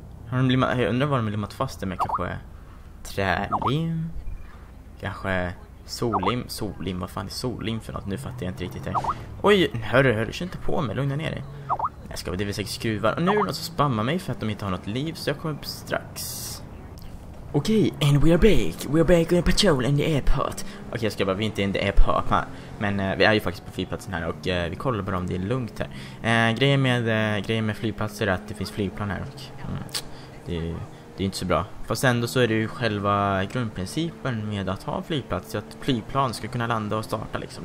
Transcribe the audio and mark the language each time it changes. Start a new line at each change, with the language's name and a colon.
Swedish: Jag undrar vad de har limmat fast det med. Kanske trälim. Kanske sollim. Sollim, vad fan är sollim för något? Nu fattar jag inte riktigt det. Oj, hörru, kör inte på mig. Lugna ner dig. Jag ska, det är väl säkert skruvar. Och nu är det någon som spammar mig för att de inte har något liv. Så jag kommer strax.
English: Okej, okay, and we are back. We are back on a patrol in the airport.
Swedish: Okej, okay, jag ska bara, vi är inte
English: in the airport.
Swedish: Men vi är ju faktiskt på flygplatsen här och vi kollar bara om det är lugnt här. Grejen med flygplatser är att det finns flygplan här och det är inte så bra. Fast ändå så är det ju själva grundprincipen med att ha flygplats, att flygplan ska kunna landa och starta liksom.